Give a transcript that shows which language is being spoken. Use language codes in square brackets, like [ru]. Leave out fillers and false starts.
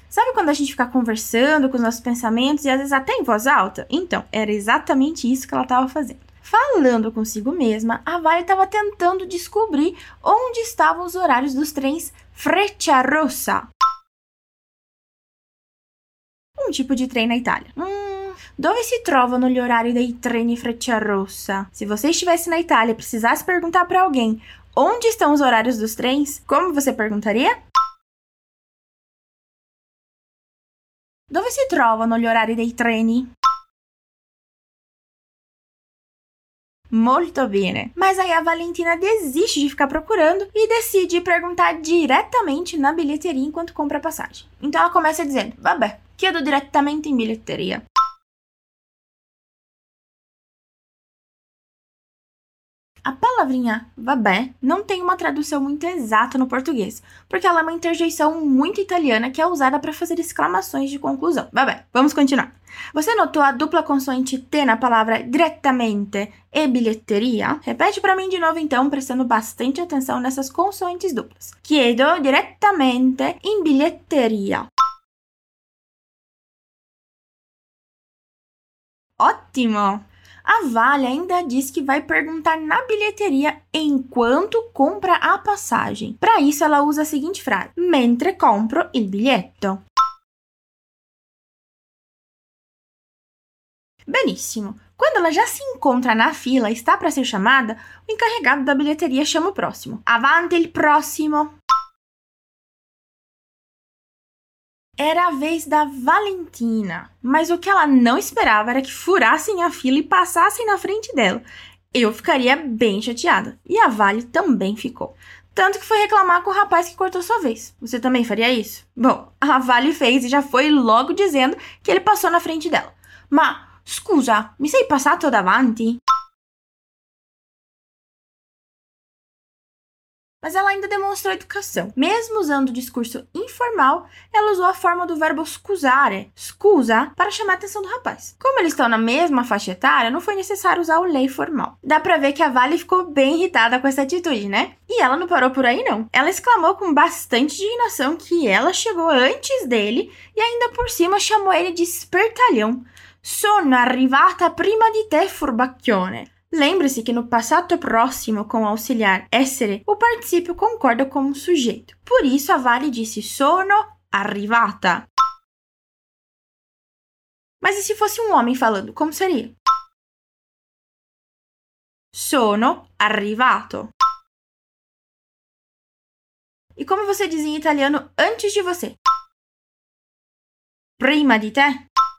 [pt] Sabe quando a gente fica conversando com os nossos pensamentos e às vezes até em voz alta? Então, era exatamente isso que ela estava fazendo. Falando consigo mesma, a Vale estava tentando descobrir onde estavam os horários dos trens Frecciarossa. Um tipo de trem na Itália. [it] Dove si trovano gli orari dei treni Frecciarossa? [pt] Se você estivesse na Itália e precisasse perguntar para alguém onde estão os horários dos trens, como você perguntaria? [it] Dove si trovano gli orari dei treni? Molto bene. [pt] Mas aí a Valentina desiste de ficar procurando e decide perguntar diretamente na bilheteria enquanto compra a passagem. Então ela começa dizendo, [it] vabbè, chiedo direttamente in biglietteria. [pt] A palavrinha vabbè não tem uma tradução muito exata no português, porque ela é uma interjeição muito italiana que é usada para fazer exclamações de conclusão. Vabbè, vamos continuar. Você notou a dupla consoante T na palavra diretamente e bilheteria? Repete para mim de novo então, prestando bastante atenção nessas consoantes duplas. [it] Chiedo direttamente in biglietteria. [pt] Ótimo! A Vale ainda diz que vai perguntar na bilheteria enquanto compra a passagem. Para isso, ela usa a seguinte frase. [it] Mentre compro il biglietto. Benissimo. [pt] Quando ela já se encontra na fila e está para ser chamada, o encarregado da bilheteria chama o próximo. [it] Avanti il prossimo. [pt] Era a vez da Valentina. Mas o que ela não esperava era que furassem a fila e passassem na frente dela. Eu ficaria bem chateada. E a Vale também ficou. Tanto que foi reclamar com o rapaz que cortou sua vez. Você também faria isso? Bom, a Vale fez e já foi logo dizendo que ele passou na frente dela. [it] Ma, scusa, mi sei passato davanti? [pt] Mas ela ainda demonstrou educação. Mesmo usando o discurso informal, ela usou a forma do verbo scusare, scusa, para chamar a atenção do rapaz. Como eles estão na mesma faixa etária, não foi necessário usar o lei formal. Dá pra ver que a Vale ficou bem irritada com essa atitude, né? E ela não parou por aí, não. Ela exclamou com bastante indignação que ela chegou antes dele e ainda por cima chamou ele de espertalhão. [it] Sono arrivata prima di te, furbacchione. [pt] Lembre-se que no passato próximo com o auxiliar essere, o participio concorda com o sujeito. Por isso, a Vale disse sono arrivata. Mas e se fosse um homem falando, como seria? [it] Sono arrivato. [pt] E como você diz em italiano antes de você? [it] Prima di te.